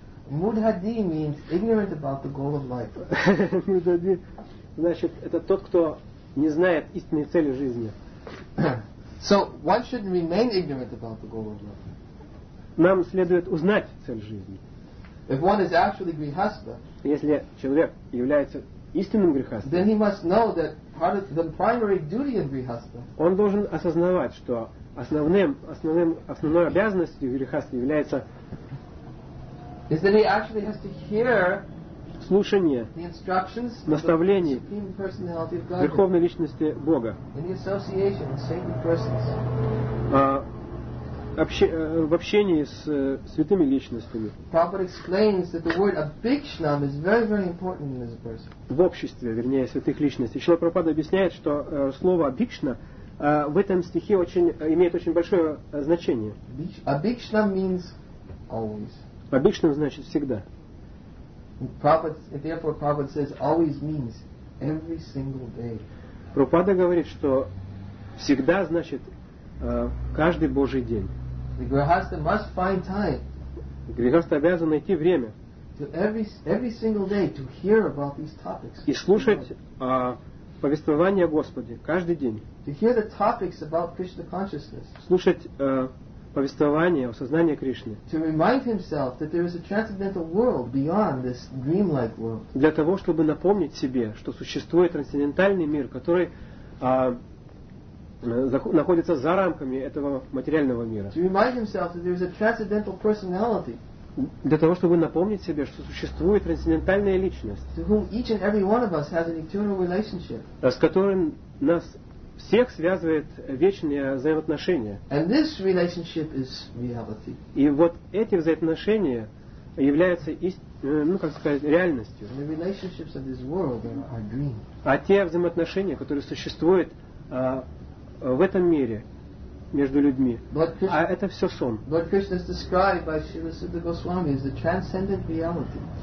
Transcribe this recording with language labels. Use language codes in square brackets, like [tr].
[en] Mudhadi means ignorant about the goal of life. [ru] Mudhadi, значит, это тот, кто не знает истинной цели жизни. [en] So one should remain ignorant about the goal of life. [ru] Нам следует узнать цель жизни. [en] If one is actually grihastha, [ru] если человек является истинным грихастом, [en] then he must know that part of the primary duty in grihastha. [ru] Он должен осознавать, что основной обязанностью грихастха является [en] is that he actually has to hear [ru] слушание, [en] the instructions, [ru] наставлений [en] of the Supreme Personality of God, [ru] Верховной Личности Бога, [en] in the association with sacred persons, [ru] в общении с святыми личностями. [en] Prabhupada explains that the word abhikshanam is very, very important in this person. [ru] В обществе, вернее, святых личностей. Шрила Прабхупада объясняет, что слово абхикшна в этом стихе имеет очень большое значение. [en] Abhikshanam means always. [ru] Обычным значит всегда. [en] Therefore, Prabhupada says always means every single day. [ru] Прабхупада говорит, что всегда значит каждый Божий день. [en] The grihastha must find time. [ru] Грихаста обязан найти время. [en] Every single day to hear about these topics. [ru] И слушать повествование о Господе каждый день. [en] To hear the topics about Krishna consciousness. [ru] Слушать повествование о сознании Кришны. [en] To remind himself that there is a transcendental world beyond this dreamlike world. [ru] Для того, чтобы напомнить себе, что существует трансцендентальный мир, который находится за рамками этого материального мира. [en] To remind himself that there is a transcendental personality. [ru] Для того, чтобы напомнить себе, что существует трансцендентальная личность, [en] to whom each and every one of us has an eternal relationship. [ru] С которым нас всех связывает вечные взаимоотношения. [en] And this relationship is reality. [ru] И вот эти взаимоотношения являются реальностью. [en] And the relationships of this world are dream. [ru] А те взаимоотношения, которые существуют в этом мире между людьми, а это все сон. [en] But Krishna is described by Śrīla Śuddha Gosvāmī as the transcendent reality.